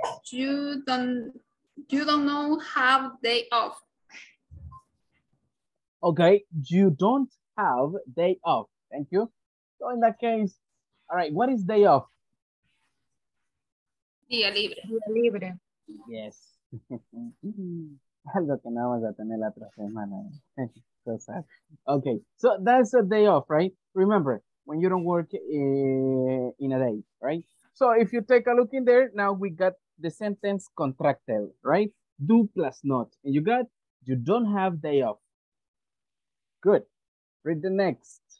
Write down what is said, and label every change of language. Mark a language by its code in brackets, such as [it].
[en] You don't know have day off. Okay, you don't have day off. Thank you. So in that case, all right, what is day off? [es] Día libre. Día libre. [en] Yes. [es] Algo que no vamos a tener la otra semana. [en] So sad. Okay, so that's a day off, right? Remember, when you don't work in a day, right? So if you take a look in there, now we got the sentence contracted, right? Do plus not. And you got, you don't have day off. Good. Read the next.